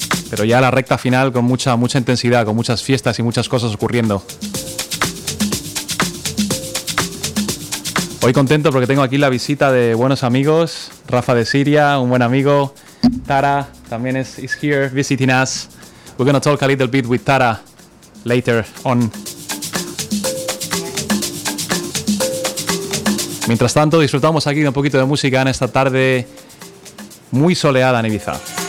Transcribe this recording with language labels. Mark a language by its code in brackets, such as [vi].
[es] Pero ya la recta final con mucha, mucha intensidad, con muchas fiestas y muchas cosas ocurriendo. Hoy contento porque tengo aquí la visita de buenos amigos. Rafa de Siria, un buen amigo. Tara también [en] is here visiting us. We're going to talk a little bit with Tara later on. [es] Mientras tanto, disfrutamos aquí de un poquito de música en esta tarde muy soleada en Ibiza.